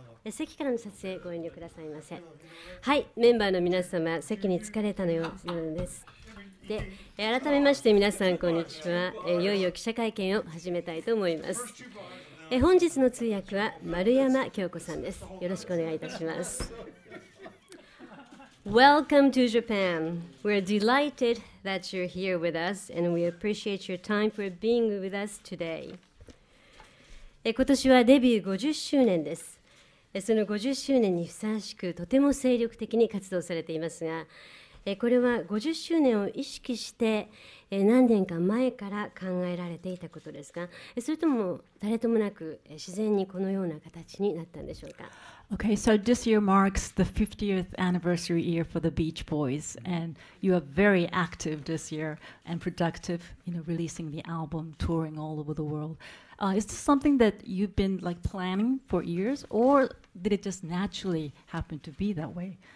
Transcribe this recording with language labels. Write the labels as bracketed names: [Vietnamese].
[Japanese] 席からの撮影ご遠慮くださいませ。はい、メンバーの皆様席に着かれたようです。で、改めまして皆さんこんにちは。いよいよ記者会見を始めたいと思います。本日の通訳は丸山京子さんです。よろしくお願いいたします。 [English] Welcome to Japan. We're delighted that you're here with us and we appreciate your time for being with us today. [Japanese] 今年はデビュー50周年です。その50周年にふさわしくとても精力的に活動されていますが、これは50周年を意識して何年か前から考えられていたことですか？それとも誰ともなく自然にこのような形になったんでしょうか？ [English] Okay, so this year marks the 50th anniversary year for the Beach Boys, and you are very active this year and productive, you know, releasing the album, touring all over the world. Is this something that you've been like planning for years, or did it just naturally happen to be that way?